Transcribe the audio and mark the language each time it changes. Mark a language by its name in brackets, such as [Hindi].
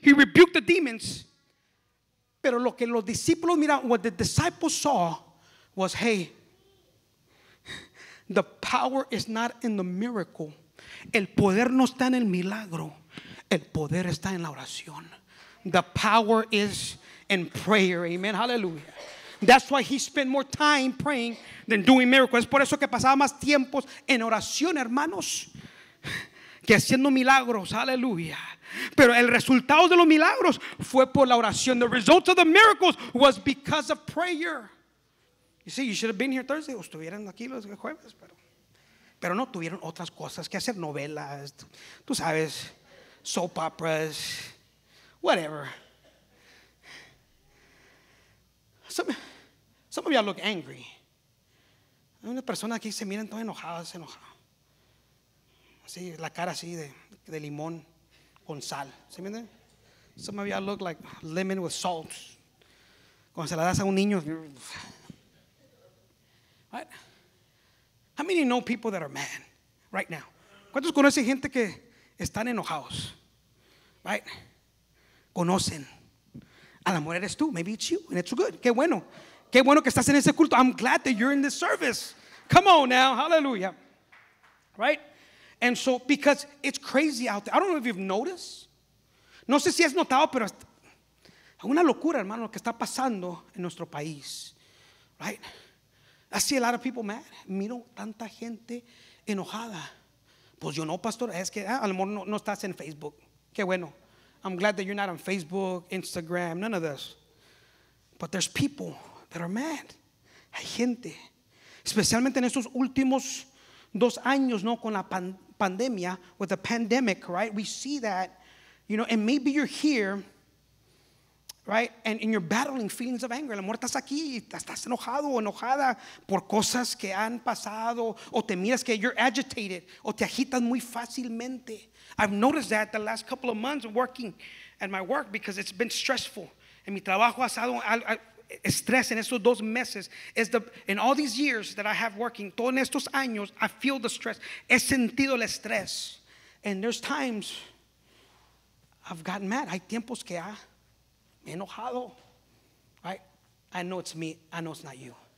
[English] He rebuked the demons. [Spanish] Pero lo que los discípulos miraron, [English] what the disciples saw was, hey, the power is not in the miracle. [Spanish] El poder no está en el milagro. El poder está en la oración. [English] The power is in prayer. Amen. Hallelujah. That's why he spent more time praying than doing miracles. [Spanish] Es por eso que pasaba más tiempos en oración, hermanos, que haciendo milagros. Aleluya. Pero el resultado de los milagros fue por la oración. [English] The result of the miracles was because of prayer. You see, you should have been here Thursday. [Spanish] O estuvieran aquí los jueves, pero no tuvieron otras cosas que hacer. Novelas, tú sabes, [English] soap operas, whatever. Some of y'all look angry. [Spanish] Hay una persona aquí, se miran todas enojadas, así, la cara así de limón con sal. ¿Se miran? [English] Some of y'all look like lemon with salt. [Spanish] Cuando se la das a un niño. [English] What? How many know people that are mad right now? [Spanish] ¿Cuántos conocen gente que están enojados? Right? Conocen. A la mujer eres tú, [English] maybe it's you, and it's good. [Spanish] Qué bueno. Qué bueno que estás en ese culto. [English] I'm glad that you're in this service. Come on now, hallelujah. Right? And so, because it's crazy out there. I don't know if you've noticed. [Spanish] No sé si has notado, pero es una locura, hermano, lo que está pasando en nuestro país. [English] Right? I see a lot of people mad. [Spanish] Miro tanta gente enojada. Pues yo no, pastor. Es que a lo mejor no estás en Facebook. Qué bueno. [English] I'm glad that you're not on Facebook, Instagram, none of this. But there's people that are mad. [Spanish] Hay gente. Especialmente en estos últimos dos años, ¿no? Con la pandemia, [English] with the pandemic, right? We see that, you know, and maybe you're here, right? And you're battling feelings of anger. [Spanish] A lo mejor estás aquí, estás enojado o enojada por cosas que han pasado, o te miras que [English] you're agitated, [Spanish] o te agitas muy fácilmente. [English] I've noticed that the last couple of months working at my work because it's been stressful. [Spanish] En mi trabajo ha estado estrés en estos dos meses. [English] In all these years that I have working, [Spanish] todos estos años, [English] I feel the stress. [Spanish] He sentido el estrés. [English] And there's times I've gotten mad. [Spanish] Hay tiempos que me he enojado. [English] Right? I know it's me. I know it's not you.